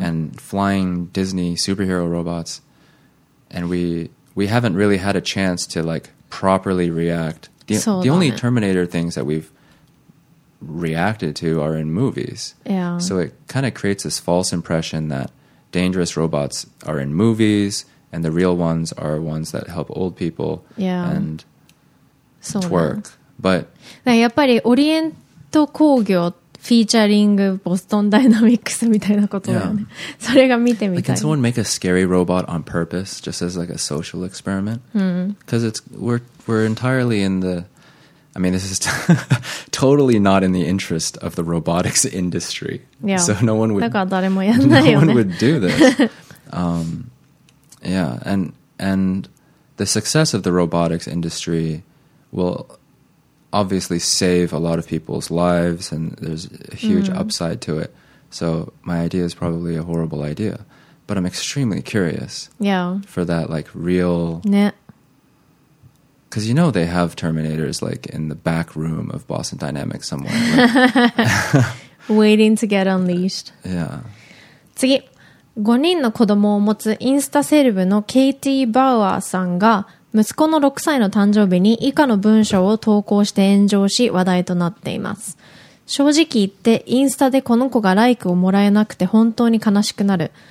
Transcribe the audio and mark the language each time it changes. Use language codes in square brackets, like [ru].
[en] and flying Disney superhero robots, and we haven't really had a chance to like properly react. The only Terminator things that we've reacted to are in movies. Yeah. So it kind of creates this false impression that dangerous robots are in movies and the real ones are ones that help old people、 yeah. and twerk. But [ja] やっぱりオリエン工業フィーチャリングボストンダイナミックスみたいなことだよね、yeah. それが見てみたい。 [en] Like, can someone make a scary robot on purpose just as like a social experiment? Because、うん、 it's we're entirely in the I mean this is totally not in the interest of the robotics industry、 yeah. so no one would [ja] だから誰もやんないよね。 [en] No one would do this. 、yeah and the success of the robotics industry will obviously save a lot of people's lives and there's a huge、mm. upside to it. So my idea is probably a horrible idea. But I'm extremely curious、 yeah. for that like real... Because you know they have Terminators like in the back room of Boston Dynamics somewhere. Like... Waiting to get unleashed. Yeah. [ja] 次、5人の子供を持つインスタセレブのケイティ・バウアーさんが息子の6歳の誕生日に以下の文章を投稿して炎上し話題となっています。正直言ってインスタでこの子がライクをもらえなくて本当に悲しくなる。